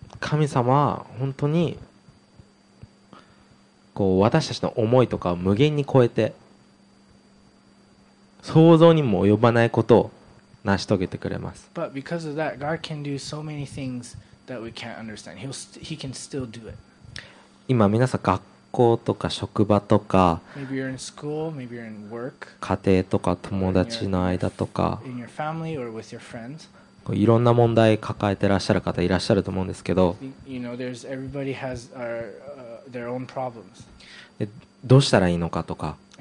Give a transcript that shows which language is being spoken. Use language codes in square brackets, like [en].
[ja] 神様は本当にこう私たちの思いとかを無限に超えて想像にも及ばないことを成し遂げてくれます。 [en] But because of that, God can do so many things that we can't understand. He can still do it. [ja] 今皆さん学校とか職場とか [en] maybe you're in school, maybe you're in work, [ja] 家庭とか友達の間とか [en] in your family or with your friends. [ja] いろんな問題抱えてらっしゃる方いらっしゃると思うんですけど [en] you know, everybody has our, their own problems. [ja] でどうしたらいいのかとか